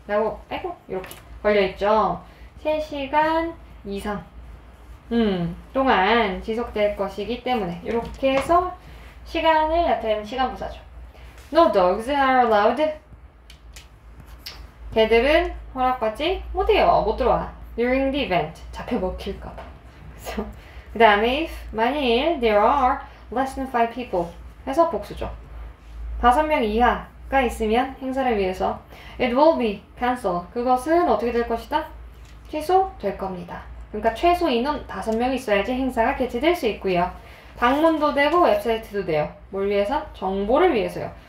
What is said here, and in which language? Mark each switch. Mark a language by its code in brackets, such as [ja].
[ko] 라고, 아이고, 이렇게 걸려있죠. 3시간 이상. 동안 지속될 것이기 때문에. 이렇게 해서 시간을 나타내는 시간 부사죠. [en] No dogs are allowed. [ko] 개들은 허락받지 못해요. 못 들어와. [en] During the event. [ko] 잡혀 먹힐까봐. 그래서. 그 다음에 [en] if, [ko] 만일 [en] there are less than 5 people [ko] 해서 복수죠. 5명 이하가 있으면 행사를 위해서 [en] it will be cancelled. [ko] 그것은 어떻게 될 것이다? 취소될 겁니다. 그러니까 최소 인원 5명이 있어야지 행사가 개최될 수 있고요. 방문도 되고 웹사이트도 돼요. 뭘 위해서? 정보를 위해서요.